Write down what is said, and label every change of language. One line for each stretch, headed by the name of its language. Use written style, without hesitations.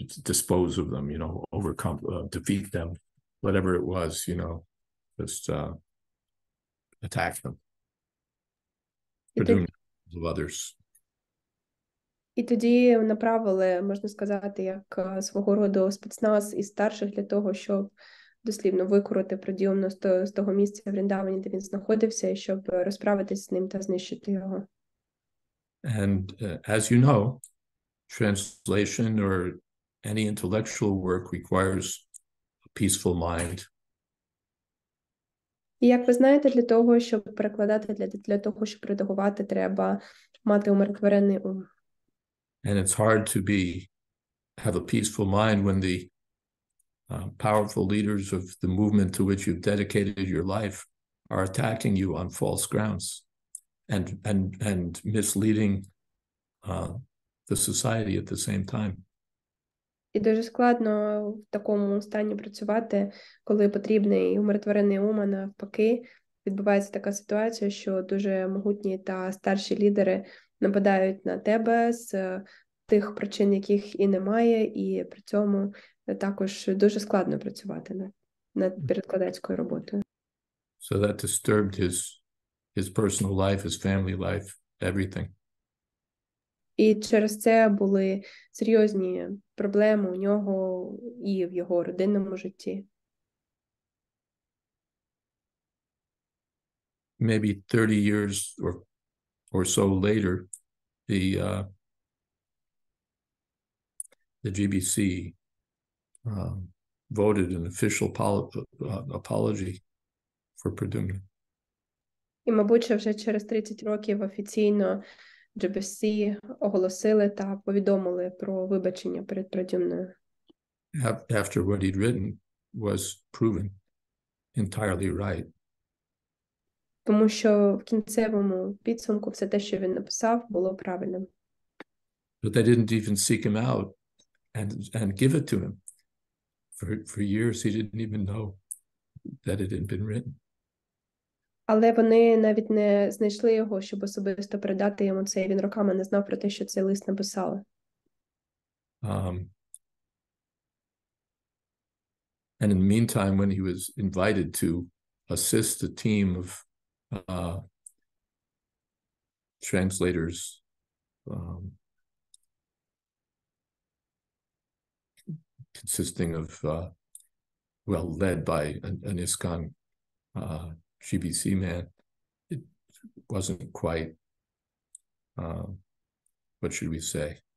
English: dispose of them, you know, overcome, defeat them, whatever it was, you know, just attack them. Of others.
Ukrainian: І тоді направили, можна сказати, як свого роду спецназ і старших для того, щоб дослівно викорити придіумно з того місця в Вріндавані, де він знаходився, і щоб розправитися з ним та знищити його.
English: And as you know, translation or any intellectual work requires a peaceful mind.
Ukrainian: І як ви знаєте, для того, щоб перекладати, для того, щоб редагувати, треба мати умиротворений ум.
English: And it's hard to have a peaceful mind when the powerful leaders of the movement to which you've dedicated your life are attacking you on false grounds and misleading the society at the same time.
Ukrainian: І дуже складно в такому стані працювати, коли потрібний умиротворений ум, а навпаки, відбувається така ситуація, що дуже могутні та старші лідери нападають на тебе з тих причин, яких і немає, і при цьому також дуже складно працювати над перекладацькою роботою.
English: So that disturbed his personal life, his family life, everything.
Ukrainian: І через це були серйозні проблеми у нього і в його родинному житті.
English: Maybe 30 years or so later, the GBC voted an official apology for Pradyumna.
Ukrainian: І, мабуть, вже через 30 років офіційно GBC оголосили та повідомили про вибачення перед Прадюмною.
English: After what he'd written was proven entirely right.
Ukrainian: Тому що в кінцевому підсумку все те, що він написав, було правильним.
English: But they didn't even seek him out and give it to him. For years he didn't even know that it had been written.
Ukrainian: Але вони навіть не знайшли його, щоб особисто передати йому це, і він роками не знав про те, що цей лист написали.
English: And in the meantime, when he was invited to assist a team of translators, consisting of, led by an ISKCON GBC man, it wasn't quite, what should we say?